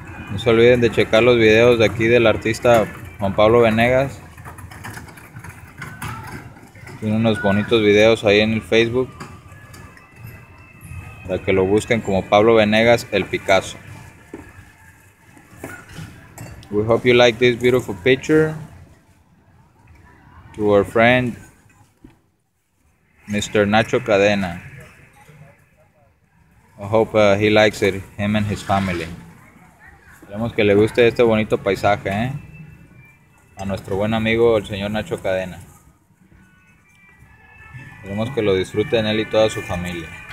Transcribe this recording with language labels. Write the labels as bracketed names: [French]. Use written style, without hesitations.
[Spanish] No se olviden de checar los videos de aquí del artista Juan Pablo Venegas. Tiene unos bonitos videos ahí en el Facebook, para que lo busquen como Pablo Venegas, el Picasso. [English] We hope you like this beautiful picture to our friend Mr. Nacho Cadena. I hope he likes it, him and his family. [Spanish] Esperemos que le guste este bonito paisaje, ¿eh? A nuestro buen amigo, el señor Nacho Cadena. Esperemos que lo disfruten él y toda su familia.